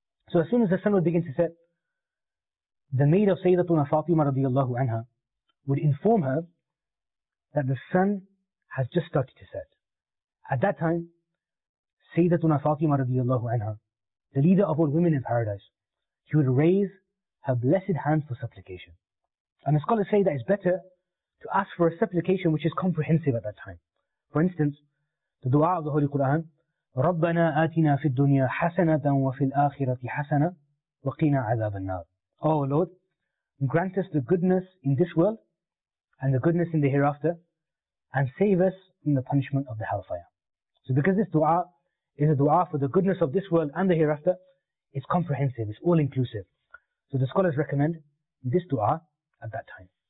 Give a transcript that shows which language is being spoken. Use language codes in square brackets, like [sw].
[en] So as soon as the sun would begin to set, the maid of Sayyidatuna Fatima radiallahu anha would inform her that the sun has just started to set. At that time, Sayyidatuna Fatima radiallahu anha, the leader of all women in paradise, she would raise her blessed hands for supplication. And the scholars say that it's better to ask for a supplication which is comprehensive at that time. For instance, the dua of the Holy Quran, [ar] رَبَّنَا آتِنَا فِي الدُّنْيَا حَسَنَةً وَفِي الْآخِرَةِ حَسَنَةً وَقِينَا عَذَابَ النَّارِ. [en] Oh Lord, grant us the goodness in this world and the goodness in the hereafter, and save us from the punishment of the hellfire. So because this dua is a dua for the goodness of this world and the hereafter, it's comprehensive, it's all-inclusive. So the scholars recommend this dua at that time.